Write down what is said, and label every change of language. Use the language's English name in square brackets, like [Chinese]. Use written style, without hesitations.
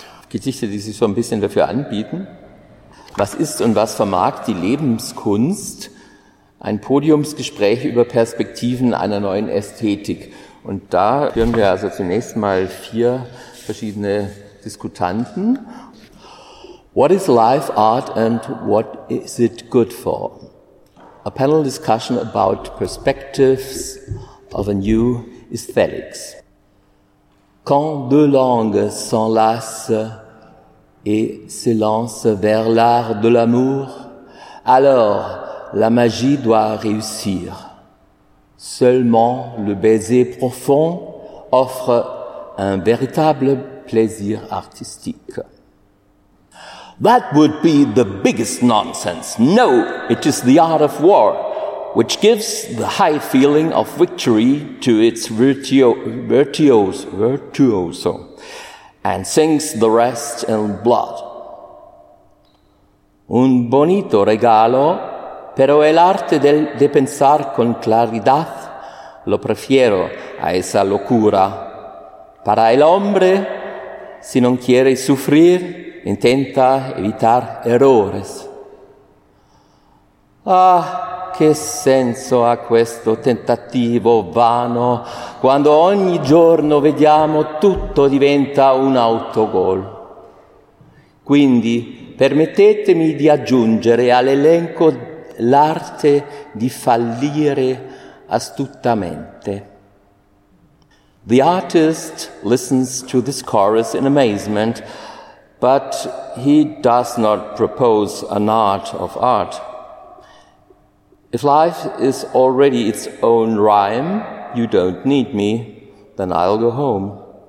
[German] Gedichte, die sich so ein bisschen dafür anbieten. Was ist und was vermag die Lebenskunst? Ein Podiumsgespräch über Perspektiven einer neuen Ästhetik. Und da hören wir also zunächst mal vier verschiedene Diskutanten. [English] What is life art and what is it good for? A panel discussion about perspectives of a new aesthetics. [French] Quand deux langues s'enlacent et s'élancent vers l'art de l'amour, alors la magie doit réussir. Seulement le baiser profond offre un véritable plaisir artistique. That would be the biggest nonsense. No, it is the art of war. which gives the high feeling of victory to its virtuoso, and sings the rest in blood. [Spanish] Un bonito regalo, pero el arte de pensar con claridad lo prefiero a esa locura. Para el hombre, si no quiere sufrir, intenta evitar errores. [Italian] Ah, che senso ha questo tentativo vano quando ogni giorno vediamo tutto diventa un autogol. Quindi permettetemi di aggiungere all'elenco l'arte di fallire astutamente. [English] The artist listens to this chorus in amazement, but he does not propose an art of art. If life is already its own rhyme, you don't need me, then I'll go home.